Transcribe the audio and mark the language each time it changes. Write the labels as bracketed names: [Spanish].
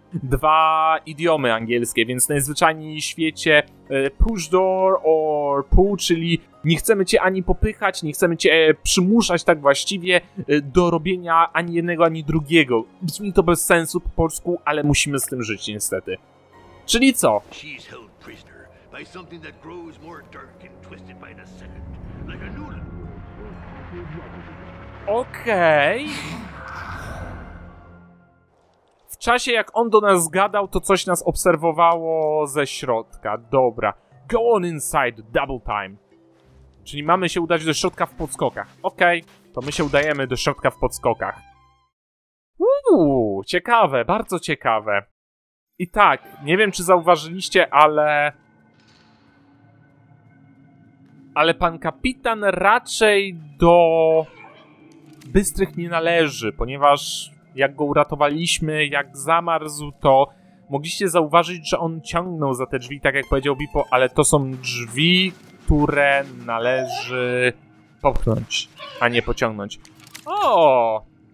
[Polish] Dwa idiomy angielskie, więc najzwyczajniej w świecie [English] push door or pull, [Polish] czyli nie chcemy cię ani popychać, nie chcemy cię przymuszać tak właściwie do robienia ani jednego, ani drugiego. Brzmi to bez sensu po polsku, ale musimy z tym żyć niestety. Czyli co? [English] She's held prisoner by something that grows more dark and twisted by the second, like a noodle. [Polish] Okej. W czasie jak on do nas gadał, to coś nas obserwowało ze środka. Dobra. [English] Go on inside, double time. [Polish] Czyli mamy się udać do środka w podskokach. Okej. To my się udajemy do środka w podskokach. Woo! Ciekawe, bardzo ciekawe. I tak, nie wiem, czy zauważyliście, ale... Ale pan kapitan raczej do Bystrych nie należy, ponieważ jak go uratowaliśmy, jak zamarzł, to mogliście zauważyć, że on ciągnął za te drzwi, tak jak powiedział Bipo, ale to są drzwi, które należy popchnąć, a nie pociągnąć. O!